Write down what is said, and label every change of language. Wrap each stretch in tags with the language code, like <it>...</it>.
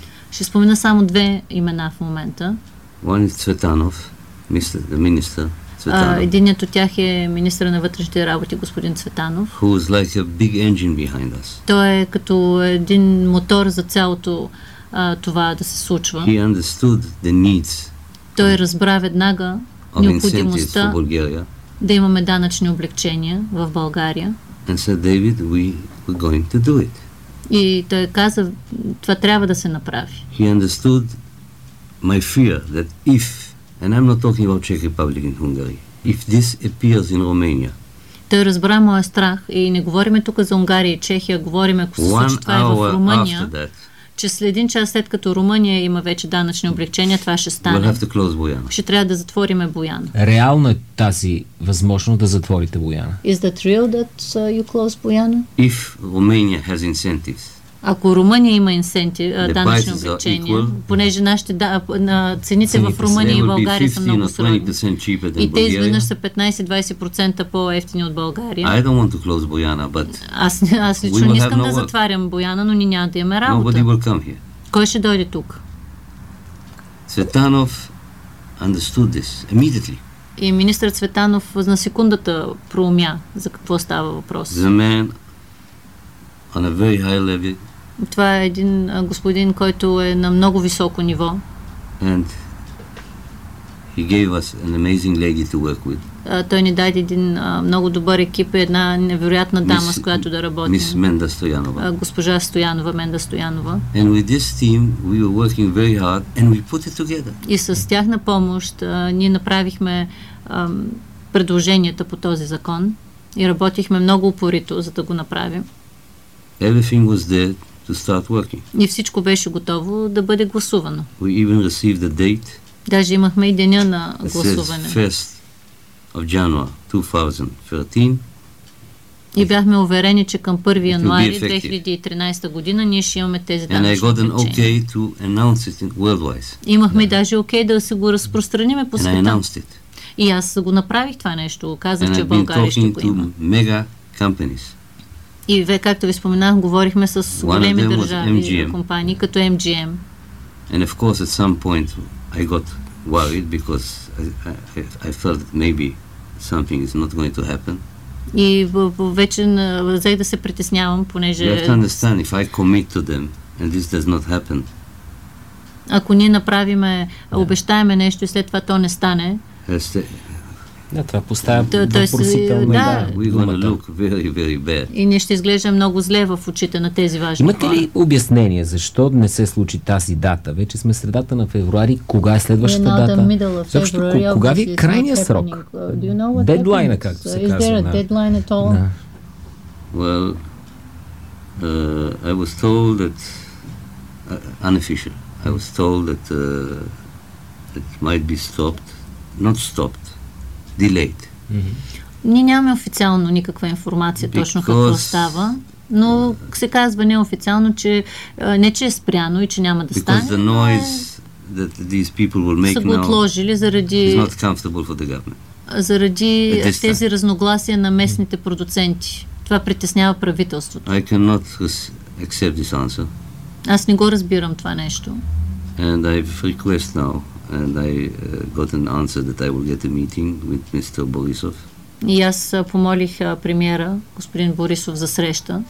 <bg>Ще спомена само две имена в момента.</bg> <en>One is Цветанов, the minister.</en> <bg>Единият от тях е министър на вътрешните работи, господин Цветанов.</bg> <en>Who is like a big engine behind us.</en> <bg>Той е като един мотор за цялото това да се случва.</bg> <en>He understood the needs.</en> <bg>Той разбра веднага необходимостта</bg> <en>for Bulgaria,</en> <bg>да имаме данъчни облекчения в България.</bg> <en>And said, David, we're going to do it.</en> <bg>И той каза, това трябва да се направи.</bg> <en>He understood my fear that if And I'm not talking about Czech Republic in Hungary. If this appears in Romania.</en> <bg>Той разбра моя страх и не говориме тук за Унгария и Чехия, говориме ако се случи това е в Румъния, че след един час след като Румъния има вече данъчни облекчения, това ще стане.</bg> <en>We'll have to close Буяна.</en> <bg>Ще трябва да затвориме Буяна. Реално е тази възможност да затворите Буяна?</bg> <en>Is that real that you close Буяна? If Romania has incentives.</en> <bg>Ако Румъния има инсентив, данъчни облекчения, понеже нашите цените в Румъния и България са много сравни. И те изведнъж са 15-20% по-ефтини от България.</bg> <en>I don't want to close Буяна, but</en> <bg>аз лично не искам да затварям Буяна, но ни няма да имаме работа.</bg> <en>Nobody will come here.</en> <bg>Кой ще дойде тук?</bg> <en>Цветанов understood this immediately.</en> <bg>И министър Цветанов на секундата проумя за какво става въпрос.</bg> <en>The man on a very high level.</en> <bg>Това е един господин, който е на много високо ниво.</bg> <en>And he gave us an amazing lady to work with.</en> <bg>Той ни даде един много добър екип и една невероятна дама, с която да работим.</bg> <en>Miss Менда Стоянова.</en> <bg>Госпожа Стоянова, Менда Стоянова.</bg> <en>And with this team we were working very hard and we put it together.</en> <bg>И с тяхна помощ ние направихме предложенията по този закон и работихме много упорито, за да го направим.</bg> <en>Everything was there to start working.</en> <bg>И всичко беше готово да бъде гласувано.</bg> <en>We even received the date.</en> <bg>Даже имахме и деня на гласуване.</bg> <en>First of January 2013.</en> <bg>И бяхме уверени, че към 1 януари 2013 година ние ще имаме тези данъчни облекчения.</bg> <en>And I got an okay to announce it worldwide.</en> <bg>Имахме даже okay да се го разпространим по света.</bg> <en>And I announced it.</en> <bg>И аз го направих това нещо. Казах, че България ще го има.</bg> <en>And I've been talking to mega companies.</en> <bg>И вие, както ви споменах, говорихме с големи държави и компании, като MGM.</bg> <en>And of course, at some point, I got worried because I felt that maybe something is not going to happen.</en> <bg>И вече взех да се притеснявам, понеже... You have to understand, if I commit to them and this does not happen. Ако ние направиме, обещаеме нещо и след това то не стане... Да, това поставя въпросително. Да,</bg> <en>we're gonna look very, very bad.</en> <bg>И ние ще изглежда много зле в очите на тези важни хора. Имате ли обяснение защо не се случи тази дата? Вече сме средата на февруари. Кога е следващата дата? Защо, кога ви е крайният срок? Дедлайна, както се казва.</bg> <en>Is there a deadline at all? Well, I was told that unofficial. I was told that it might be stopped, not stopped, delayed.</en> <bg>Ние нямаме официално никаква информация точно какво става, но се казва неофициално, че не че е спряно и че няма да стане.</bg> <en>Because the noise that these people will make now is not comfortable for the government.</en> <bg>Заради тези разногласия на местните продуценти. Това притеснява правителството.</bg> <en>I cannot accept this answer.</en> <bg>Аз не го разбирам това нещо.</bg> <en>And I've request now, and I got an answer that I will get a meeting with Mr. Borisov.</en> <bg>И аз помолих премиера, господин Борисов, за среща.</bg>